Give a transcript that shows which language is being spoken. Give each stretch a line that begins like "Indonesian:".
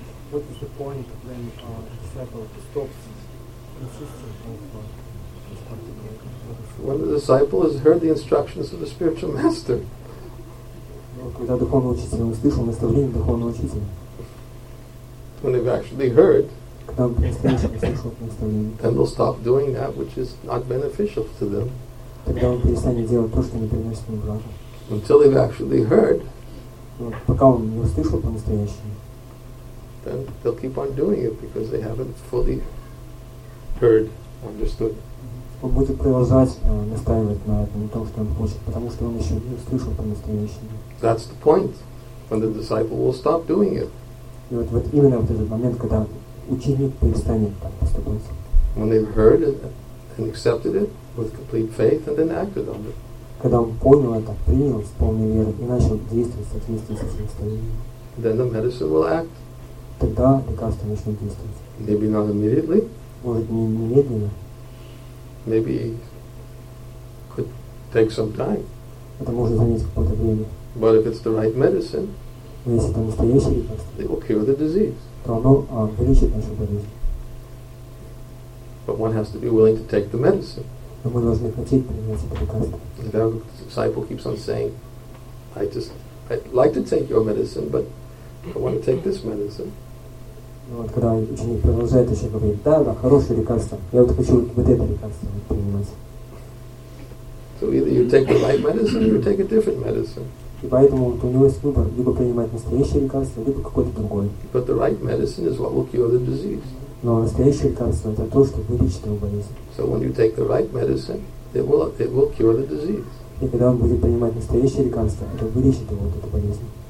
English: what is the point when a disciple stops insisting on this particular instruction? When the disciple has heard the instructions of the spiritual master.
Russian: Когда духовный учитель услышал наставление духовного учителя.
English: When they've actually heard.
Russian: Когда он перестанет слушать наставление.
English: Then they'll stop doing that which is not beneficial to them.
Russian: Тогда он перестанет делать то, что не приносит ему блага.
English: Until they've actually heard.
Russian: Пока он не услышал по-настоящему.
English: Then they'll keep on doing it because they haven't fully heard, understood.
Russian: Он будет продолжать настаивать на этом, на том, что он хочет, потому что он еще не услышал по-настоящему.
English: That's the point when the disciple will stop doing it.
Russian: И вот именно в этот момент, когда ученик перестанет так поступать.
English: When they've heard it and accepted it with complete faith and then acted on it.
Russian: Когда он понял это, принял с полной верой и начал действовать в соответствии с этим наставлением.
English: Then the medicine will act.
Russian: Тогда лекарство начнет действовать.
English: Maybe not immediately.
Russian: Может, не немедленно.
English: Maybe could take some time.
Russian: Это может занять какое-то время.
English: But if it's the right medicine,
Russian: но если это настоящее лекарство,
English: it will cure the disease.
Russian: То оно вылечит нашу болезнь.
English: But one has to be willing to take the medicine.
Russian: Но мы должны хотеть принять это лекарство.
English: The disciple keeps on saying, I'd like to take your medicine, but I want to take this medicine.
Russian: Ну вот когда ученик продолжает еще говорить, да, хорошее лекарство. Я вот хочу вот это лекарство принимать.
English: So either you take the right medicine or you take a different medicine.
Russian: И поэтому вот у него есть выбор, либо принимать настоящее лекарство, либо какое-то другое.
English: But the right medicine is what will cure the disease.
Russian: Но настоящее лекарство это то, что вылечит его болезнь.
English: So when you take the right medicine, it will cure the disease.
Russian: И когда он будет принимать настоящее лекарство, это вылечит его вот эту болезнь.